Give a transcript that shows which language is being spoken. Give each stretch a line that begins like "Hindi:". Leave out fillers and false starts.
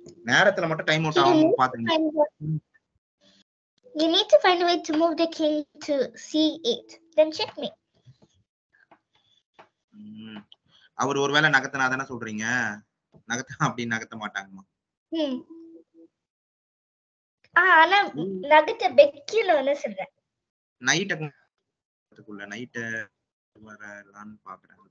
Tamil: நேரத்துல மட்டும் time out ஆகும் பாத்துங்க.
English: You need to find a way to move the king to c8, then check me.
Tamil: அவர் ஒருவேளை நகத்தனா தான சொல்றீங்க, நகத்தனா அப்படி நகத்த மாட்டாங்கமா. ஆனா நகத்த பெக்கில வந்து சொல்றேன், நைட்டுக்குள்ள நைட்ட வரலான்னு பாக்குறேன்.